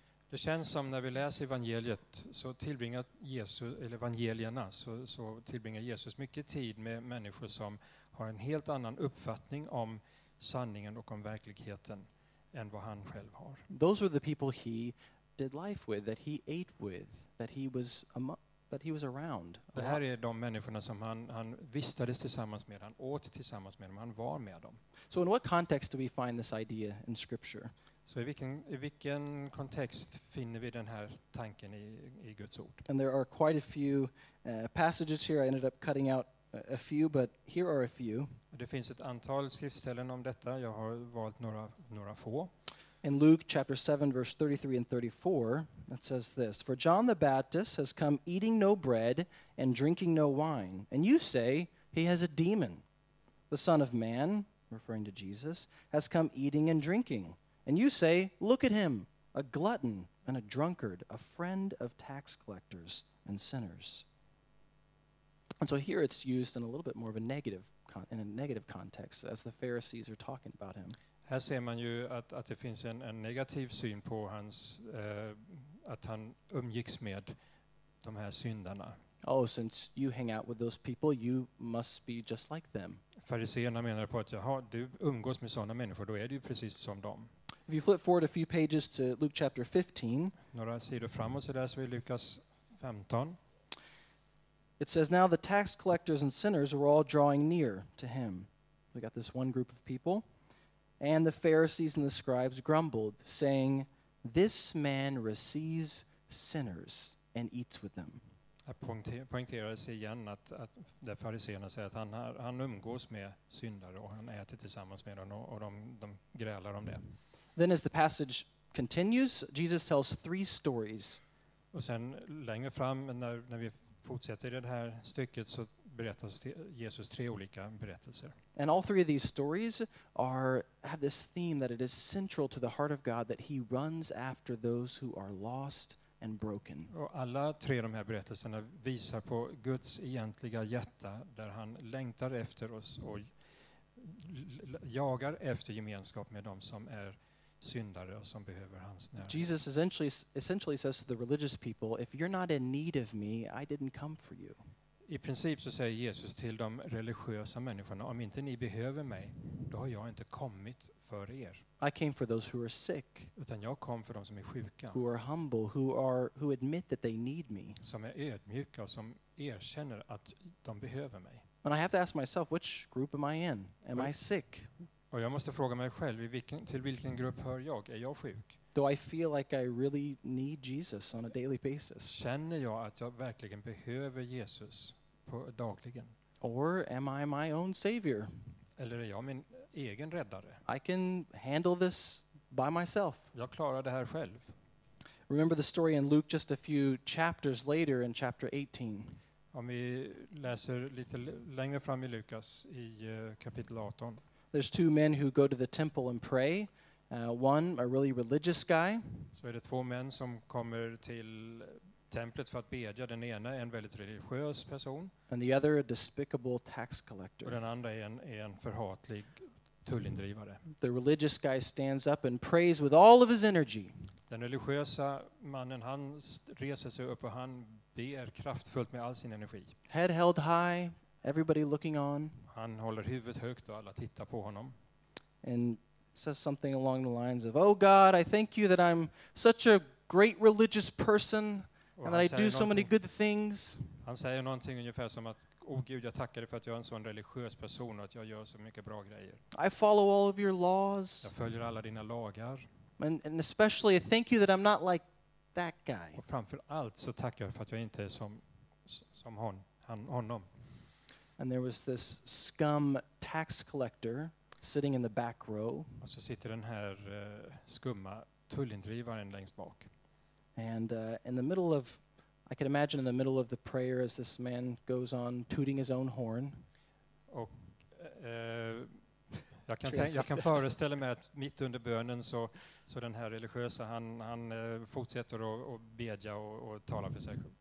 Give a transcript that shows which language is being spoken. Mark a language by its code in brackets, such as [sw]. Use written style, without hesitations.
[sv] Det känns som när vi läser evangeliet så tillbringar Jesus, eller evangelierna, så tillbringar Jesus mycket tid med människor som har en helt annan uppfattning om sanningen och om verkligheten än vad han själv har. [en] Those were the people he did life with, that he ate with, that he was among, that he was around. [sv] Det här är de människorna som han vistades tillsammans med, han åt tillsammans med dem, han var med dem. [en] So in what context do we find this idea in scripture? [sv] Så i vilken kontext finner vi den här tanken i Guds ord? [en] And there are quite a few passages here. I ended up cutting out a few, but here are a few. [sv] Det finns ett antal skriftställen om detta. Jag har valt några få. [en] In Luke chapter 7 verse 33 and 34, it says this: For John the Baptist has come eating no bread and drinking no wine, and you say he has a demon. The Son of Man, referring to Jesus, has come eating and drinking. And you say, look at him, a glutton and a drunkard, a friend of tax collectors and sinners. And so here it's used in a little bit more of a negative context as the Pharisees are talking about him. [sv] Här ser man ju att det finns en negativ syn på hans att han umgicks med de här syndarna. [en] Oh, since you hang out with those people, you must be just like them. [sv] Fariseerna menar på att jaha, du umgås med såna människor, då är du precis som dem. [en] If you flip forward a few pages to Luke chapter 15. [sv] Några sidor framåt så läser vi Lukas 15. [en] It says, now the tax collectors and sinners were all drawing near to him. We got this one group of people. And the Pharisees and the scribes grumbled, saying, this man receives sinners and eats with them. [sv] Här poängteras igen att där fariseerna säger att han umgås med syndare och han äter tillsammans med dem och de grälar om det. [en] Then as the passage continues, Jesus tells three stories. [sv] Och sen längre fram när vi fortsätter i det här stycket så berättas Jesus tre olika berättelser. [en] And all three of these stories have this theme that it is central to the heart of God that he runs after those who are lost and broken. [sv] Och alla tre de här berättelserna visar på Guds egentliga hjärta där han längtar efter oss och jagar efter gemenskap med dem som är syndare och som behöver hans närhet. [en] Jesus essentially says to the religious people, if you're not in need of me, I didn't come for you. [sv] I princip så säger Jesus till de religiösa människorna, om inte ni behöver mig, då har jag inte kommit för er. [en] I came for those who are sick. [sv] Utan jag kom för de som är sjuka. [en] Who are humble, who admit that they need me. [sv] Som är ödmjuka och som erkänner att de behöver mig. [en] And I have to ask myself, which group am I in? Am I sick? [sv] Och jag måste fråga mig själv, till vilken grupp hör jag? Är jag sjuk? [en] Do I feel like I really need Jesus on a daily basis? [sv] Känner jag att jag verkligen behöver Jesus på dagligen? [en] Or am I my own savior? [sv] Eller är jag min egen räddare? [en] I can handle this by myself. [sv] Jag klarar det här själv. [en] Remember the story in Luke just a few chapters later in chapter 18. [sv] Om vi läser lite längre fram i Lukas i kapitel 18. [en] There's two men who go to the temple and pray. One, a really religious guy. [sv] Så är det två män som kommer till templet för att bedja. Den ena är en väldigt religiös person. [en] And the other, a despicable tax collector. [sv] Och den andra är en förhatlig tullindrivare. [en] The religious guy stands up and prays with all of his energy. [sv] Den religiösa mannen, han reser sig upp och han ber kraftfullt med all sin energi. [en] Head held high. Everybody looking on. [sv] Han håller huvudet högt och alla tittar på honom. [en] And says something along the lines of, "Oh God, I thank you that I'm such a great religious person and that I do so many good things." [sv] Han säger någonting ungefär som att, "Oh Gud, jag tackar dig för att jag är en sån religiös person och att jag gör så mycket bra grejer." [en] I follow all of your laws. [sv] Jag följer alla dina lagar. [en] And especially thank you that I'm not like that guy. [sv] Och framför allt så tackar jag för att jag inte är som honom. [en] And there was this scum tax collector sitting in the back row. [sv] Och så sitter den här skumma tullindrivaren längst bak. [en] And I can imagine in the middle of the prayer as this man goes on tooting his own horn. [sv] Och Jag kan föreställa mig att mitt under bönen så den här religiösa han fortsätter att bedja och tala för sig.